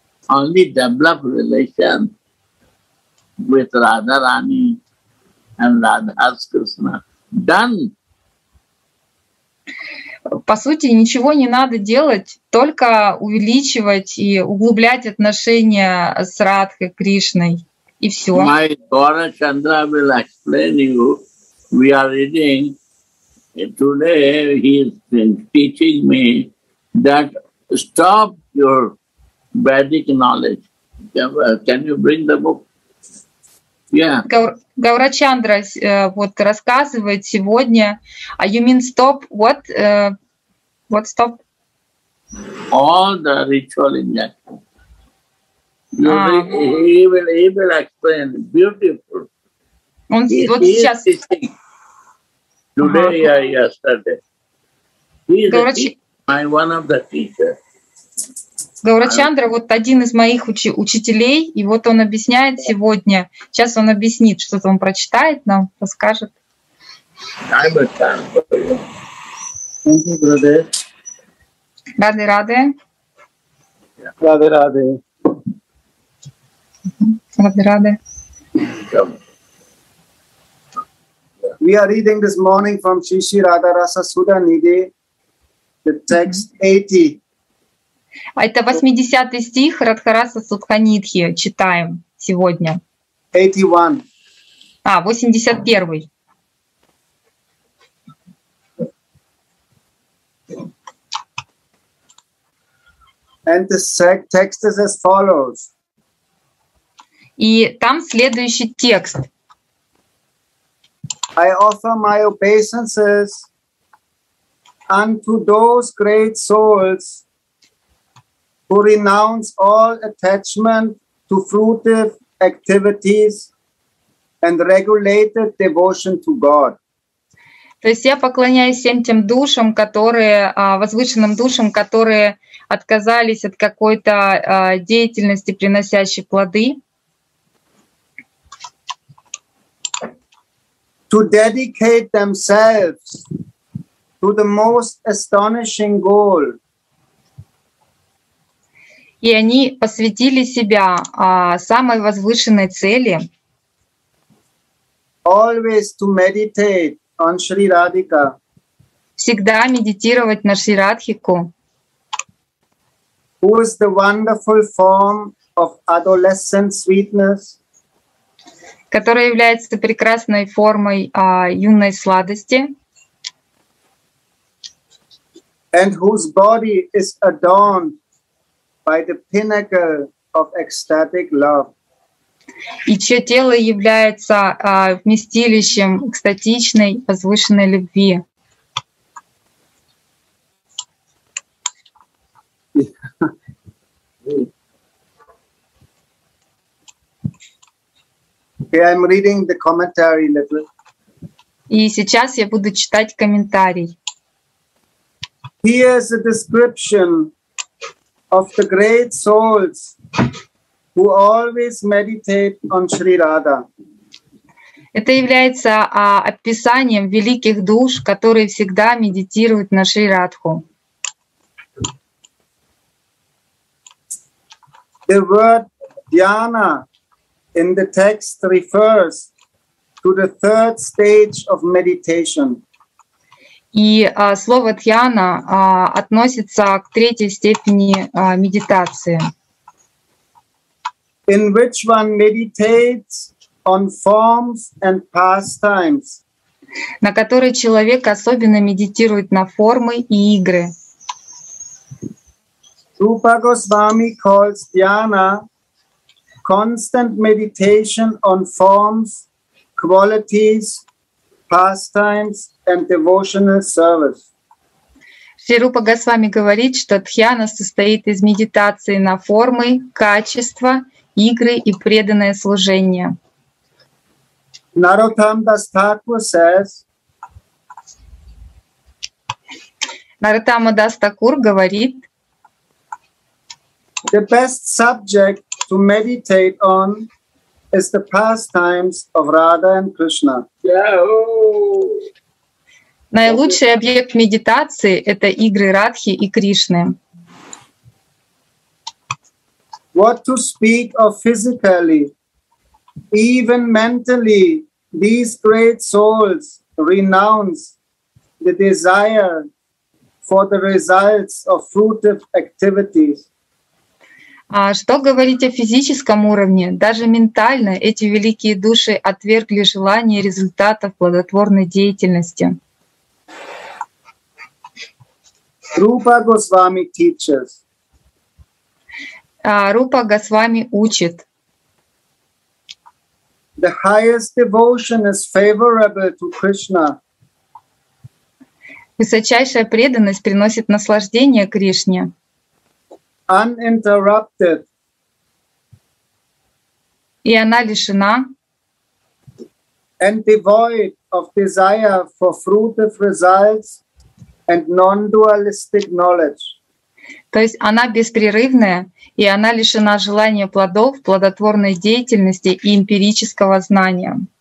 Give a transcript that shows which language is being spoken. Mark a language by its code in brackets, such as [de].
[en] Only develop relations with Radharani and Radha's Krishna. Done! [ru] По сути, ничего не надо делать, только увеличивать и углублять отношения с Радхой Кришной. И все. [en] My Gaura Chandra will explain you. We are reading. Today he is teaching me that stop your Vedic knowledge. Can you bring the book? Yeah. [ru] Гаурачандра вот рассказывает сегодня. [en] А you mean stop? What? What stop? All the ritual injection. He will explain. Beautiful. [ru] Он вот сейчас. [en] Today or yesterday. One of the teachers. [ru] Гаурачандра вот один из моих учителей, и вот он объясняет сегодня. Сейчас он объяснит, что-то он прочитает нам, расскажет. Рады. Рады, рады. Рады, рады. [en] We are reading this morning from Shri Shri Radha Rasa Sudha Nidhi, the text 80. [ru] Это 80 стих Радхараса Судханидхи. Читаем сегодня. 81. А, 81. [en] And the text is as follows. [ru] И там следующий текст. [en] I offer my obeisances unto those great souls who renounce all attachment to fruitive activities and regulated devotion to God. [ru] То есть я поклоняюсь всем тем душам, которые, возвышенным душам, которые отказались от какой-то деятельности, приносящей плоды. [en] To dedicate themselves to the most astonishing goal. [ru] И они посвятили себя самой возвышенной цели. [en] Always to meditate on Shri Radhika. [ru] Всегда медитировать на Шри Радхику. [en] Who is the wonderful form of adolescent sweetness? [ru] Которая является прекрасной формой юной сладости. [en] And whose body is adorned by the pinnacle of ecstatic love. [ru] И чье тело является вместилищем экстатичной, возвышенной любви. [en] Okay, I'm reading the commentary a little. [ru] И сейчас я буду читать комментарий. [en] Here is a description of the great souls who always meditate on Shri Radha. [ru] Это является описанием великих душ, которые всегда медитируют на Шри Радху. [en] The word dhyana in the text refers to the third stage of meditation. [ru] И слово дхьяна относится к третьей степени медитации. [en] In which one meditates on forms and pastimes. [ru] На которой человек особенно медитирует на формы и игры. [en] Rupa Goswami calls dhyana constant meditation on forms, qualities, pastimes, and devotional service. [ru] Шри Рупа Госвами говорит, что дхьяна состоит из медитации на формы, качества, игры и преданное служение. [en] Narottam Das Thakur says. [ru] Narottama Das Thakur говорит. [en] The best subject to meditate on is the pastimes of Radha and Krishna. [ru] Наилучший объект медитации — это игры Радхи и Кришны. [en] What to speak of physically, even mentally, these great souls renounce the desire for the results of fruitive activities. [ru] А что говорить о физическом уровне? Даже ментально эти великие души отвергли желание результатов плодотворной деятельности. [en] Rupa Goswami teaches. [ru] Rupa Goswami учит. [en] The highest devotion is favorable to Krishna. [ru] Высочайшая преданность приносит наслаждение Кришне. [en] Uninterrupted. [ru] И она лишена. [en] And devoid of desire for fruitive results and non-dualistic knowledge. [ru] То есть она беспрерывная, и она лишена желания плодов, плодотворной деятельности и эмпирического знания.